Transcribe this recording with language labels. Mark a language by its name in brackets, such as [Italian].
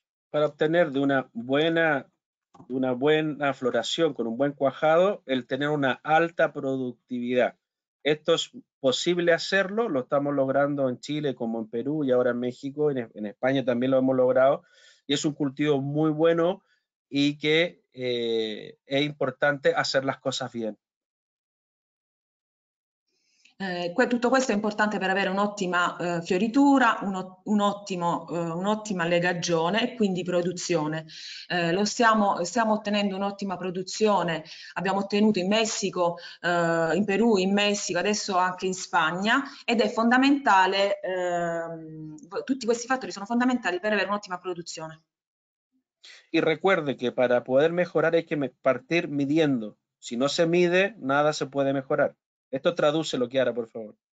[Spanish] Para obtener de una buena floración con un buen cuajado, el tener una alta productividad. Esto es posible hacerlo, lo estamos logrando en Chile como en Perú y ahora en México, en España también lo hemos logrado, y es un cultivo muy bueno y que es importante hacer las cosas bien. [Italian] Tutto questo è importante per avere un'ottima fioritura, un'ottima legagione e quindi produzione. Stiamo ottenendo un'ottima produzione, abbiamo ottenuto in Messico, in Perù, in Messico, adesso anche in Spagna ed è fondamentale, tutti questi fattori sono fondamentali per avere un'ottima produzione. [Spanish] Y recuerde que para poder mejorar hay que partir midiendo. Si no se mide, nada se puede mejorar. Esto traduce lo que hará, por favor.